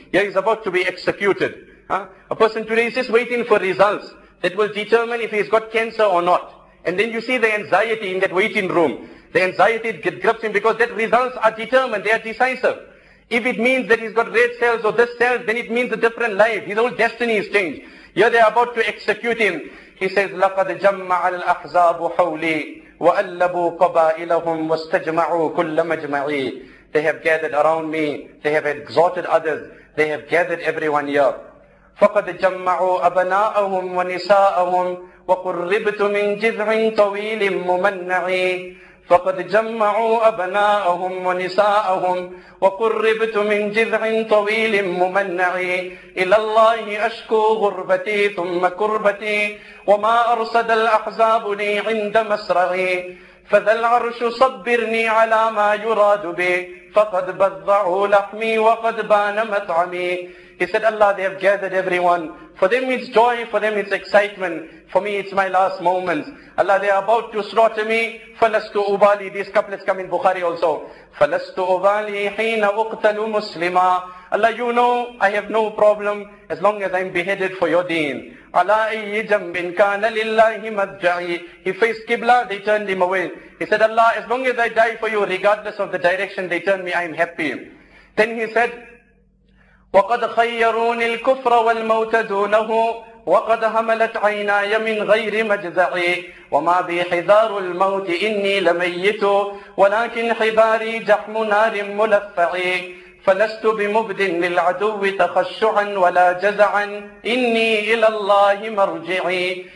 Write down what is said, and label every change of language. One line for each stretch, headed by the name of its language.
English: Yeah, he's about to be executed. Huh? A person today is just waiting for results that will determine if he's got cancer or not. And then you see the anxiety in that waiting room. The anxiety grips him because that results are determined, they are decisive. If it means that he's got red cells or this cells, then it means a different life. His whole destiny is changed. Here they are about to execute him. He says,
Arabic: لَقَدْ جَمَّعَ الْأَحْزَابُ حَوْلِي وَأَلَّبُوا قَبَائِلَهُمْ وَاسْتَجْمَعُوا كُلَّ مَجْمَعِي.
English: They have gathered around me. They have exhorted others. They have gathered everyone here.
Arabic: فَقَدْ جَمَّعُوا أَبَنَاءَهُمْ وَنِسَاءَهُمْ وَقُرِّبْتُ مِنْ جِذْعٍ طَوِيلٍ مُمَنَّعِي. فَقَدْ جَمَّعُوا أَبْنَاءَهُمْ وَنِسَاءَهُمْ وَقُرِّبْتُ مِنْ جِذْعٍ طَوِيلٍ مُمَنَّعِي إِلَى اللَّهِ أَشْكُو غُرْبَتِي ثُمَّ كُرْبَتِي وَمَا أَرْصَدَ الْأَحْزَابُ لِي عِنْدَ مَسْرَعِي فَذَا الْعَرْشُ صَبِّرْنِي عَلَى مَا يُرَادُ بِي فَقَدْ بَضَّعُوا لَحْمِي وَقَدْ بَانَ مَطْعَمِي.
English: He said, Allah, they have gathered everyone. For them it's joy, for them it's excitement. For me it's my last moments. Allah, they are about to slaughter me.
Arabic: فَلَسْتُ أُبَالِي.
English: These couplets come in Bukhari also.
Arabic: فَلَسْتُ أُبَالِي حِينَ أُقْتَلُ مُسْلِمًا.
English: Allah, you know I have no problem as long as I'm beheaded for your deen.
Arabic: عَلَىٰ أَيِّ جَنْبٍ كَانَ لِلَّهِ مَدْجَعِي.
English: He faced Qibla, they turned him away. He said, Allah, as long as I die for you, regardless of the direction they turn me, I'm happy. Then he said,
Arabic: وَقَدْ خَيَّرُونِ الْكُفْرَ وَالْمَوْتَ دُونَهُ وَقَدْ هَمَلَتْ عَيْنَايَ مِنْ غَيْرِ مَجْزَعِي وَمَا بِي حِذَارُ الْمَوْتِ إِنِّي لَمَيِّتُ وَلَكِنْ حِبَارِي جَحْمُ نَارٍ مُلَفَّعِي فَلَسْتُ بِمُبْدٍ لِلْعَدُوِّ تَخَشُّعًا وَلَا جَزَعًا إِنِّي إِلَى اللَّهِ مَرْجِعِي.